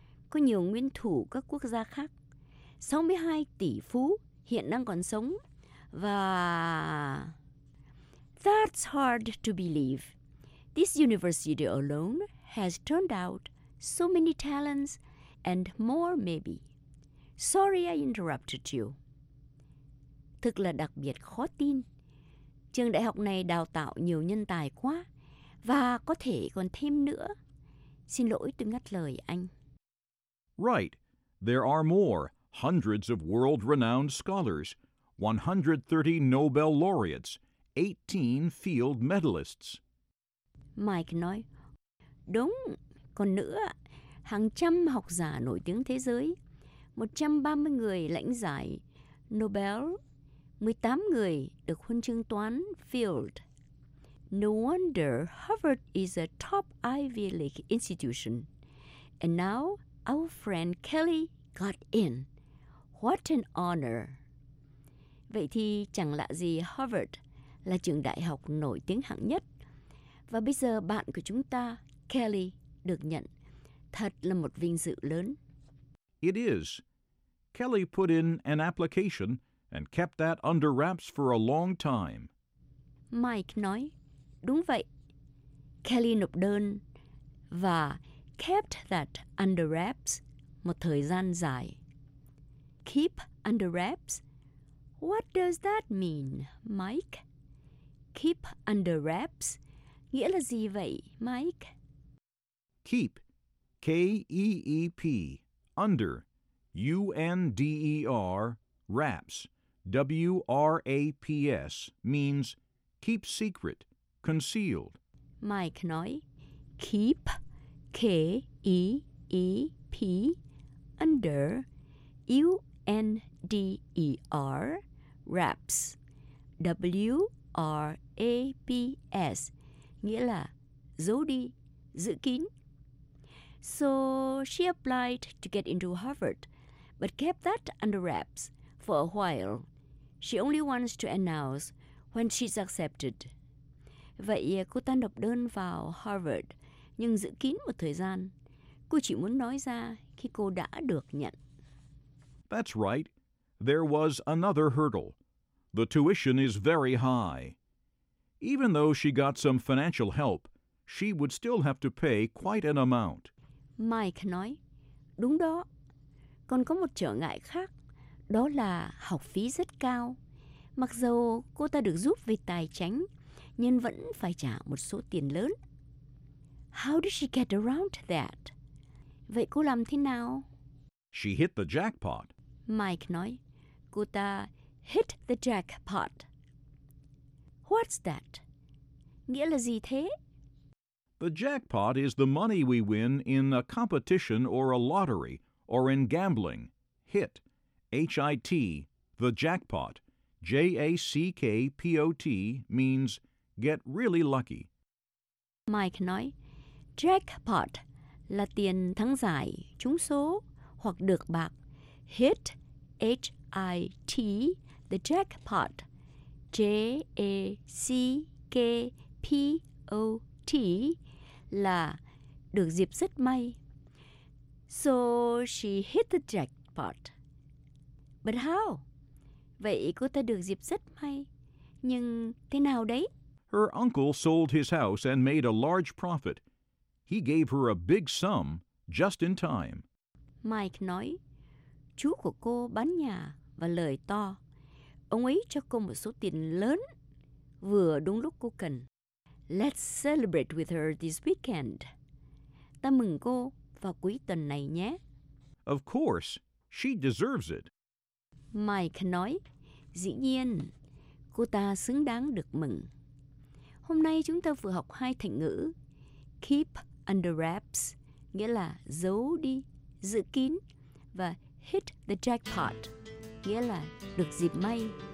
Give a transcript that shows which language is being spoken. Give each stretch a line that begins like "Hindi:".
Vietnamese: Có nhiều nguyên thủ các quốc gia khác. 62 tỷ phú hiện đang còn sống. Và...
English: That's hard to believe. This university alone has turned out so many talents and more maybe. Sorry I interrupted you.
Vietnamese: Thực là đặc biệt khó tin. Trường đại học này đào tạo nhiều nhân tài quá, và có thể còn thêm nữa. Xin lỗi tôi ngắt lời anh.
English: Right. There are more. Hundreds of world-renowned scholars. 130 Nobel laureates. 18 field medalists.
Vietnamese: Mike nói, đúng, còn nữa, hàng trăm học giả nổi tiếng thế giới. 130 người lãnh giải Nobel. 18 người được huân chương toán Field.
English: No wonder Harvard is a top Ivy League institution. And now our friend Kelly got in. What an honor.
Vietnamese: Vậy thì chẳng lạ gì Harvard là trường đại học nổi tiếng hạng nhất. Và bây giờ bạn của chúng ta, Kelly, được nhận. Thật là một vinh dự lớn.
English: It is. Kelly put in an application and kept that under wraps for a long time.
Vietnamese: Mike nói, đúng vậy. Kelly nộp đơn và
English: kept that under wraps
Vietnamese: một thời gian dài.
English: Keep under wraps? What does that mean, Mike? Keep under wraps
Vietnamese: nghĩa là gì vậy, Mike?
English: Keep, K-E-E-P, under, U-N-D-E-R, wraps. W-R-A-P-S means keep secret, concealed. Mike nói, keep, K-E-E-P, under, U-N-D-E-R, wraps.
Vietnamese: W-R-A-P-S, nghĩa là giấu đi, giữ kín.
English: So she applied to get into Harvard, but kept that under wraps for a while. She only wants to announce when she's accepted.
Vietnamese: Vậy cô ta nộp đơn vào Harvard, nhưng giữ kín một thời gian. Cô chỉ muốn nói ra khi cô đã được nhận.
English: That's right. There was another hurdle. The tuition is very high. Even though she got some financial help, she would still have to pay quite an amount.
Vietnamese: Mike nói, đúng đó. Còn có một trở ngại khác. Đó là học phí rất cao. Mặc dù cô ta được giúp về tài chính, nhưng vẫn phải trả một số tiền lớn.
English: How did she get around that?
Vietnamese: Vậy cô làm thế nào?
English: She hit the jackpot.
Vietnamese: Mike nói, cô ta
English: hit the jackpot. What's that?
Vietnamese: Nghĩa là gì thế?
English: The jackpot is the money we win in a competition or a lottery or in gambling. Hit. H-I-T, the jackpot, J-A-C-K-P-O-T, means get really lucky.
Vietnamese: Mike nói, jackpot là tiền thắng giải, trúng số, hoặc được bạc.
English: Hit, H-I-T, the jackpot, J-A-C-K-P-O-T.
Vietnamese: P-O-T là được dịp rất may.
English: So she hit the jackpot. But how?
Vietnamese: Vậy cô ta được dịp rất may. Nhưng thế nào đấy?
English: Her uncle sold his house and made a large profit. He gave her a big sum just in time.
Vietnamese: Mike nói, chú của cô bán nhà và lời to. Ông ấy cho cô một số tiền lớn vừa đúng lúc cô cần.
English: Let's celebrate with her this weekend.
Vietnamese: Ta mừng cô vào cuối tuần này nhé.
English: Of course, she deserves it.
Vietnamese: Mike nói, dĩ nhiên, cô ta xứng đáng được mừng. Hôm nay chúng ta vừa học hai thành ngữ.
English: Keep under wraps,
Vietnamese: nghĩa là giấu đi, giữ kín. Và
English: hit the jackpot,
Vietnamese: nghĩa là được dịp may.